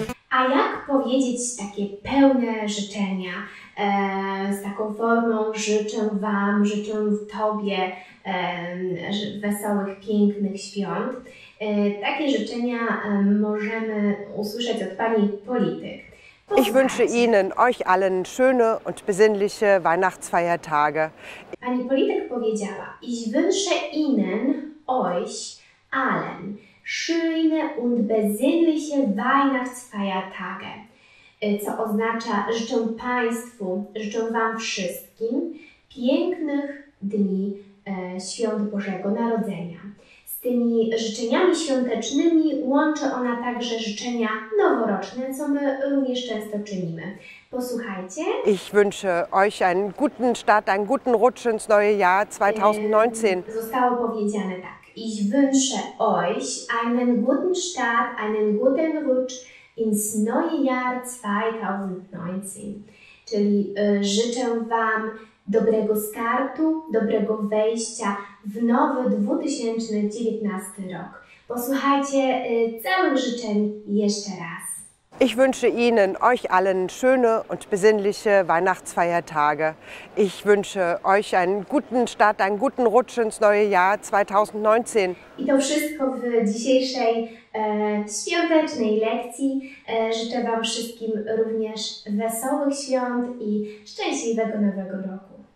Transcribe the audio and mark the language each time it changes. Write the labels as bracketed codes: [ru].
[pl] A jak powiedzieć takie pełne życzenia? Z taką formą życzę Wam, życzę w Tobie wesołych, pięknych świąt. Takie życzenia możemy usłyszeć od Pani polityk. Posłuchajcie. [de] Ich wünsche Ihnen, euch allen schöne und besinnliche Weihnachtsfeiertage. [pl] Pani polityk powiedziała, [de] ich wünsche Ihnen, euch allen schöne und besinnliche Weihnachtsfeiertage. [pl] Co oznacza życzę Państwu, życzę Wam wszystkim pięknych dni świąt Bożego Narodzenia. Z tymi życzeniami świątecznymi łączy ona także życzenia noworoczne, co my również często czynimy. Posłuchajcie. [de] Ich wünsche euch einen guten Start, einen guten Rutsch ins neue Jahr 2019. [pl] Zostało powiedziane tak. [de] Ich wünsche euch einen guten Start, einen guten Rutsch ins neue Jahr 2019. [pl] Czyli życzę Wam dobrego startu, dobrego wejścia w nowy 2019 rok. Posłuchajcie całych życzeń jeszcze raz. [de] Ich wünsche Ihnen, euch allen schöne und besinnliche Weihnachtsfeiertage. Ich wünsche euch einen guten Start, einen guten Rutsch ins neue Jahr 2019. [pl] I to wszystko w dzisiejszej świątecznej lekcji. Życzę Wam wszystkim również wesołych świąt i szczęśliwego nowego roku.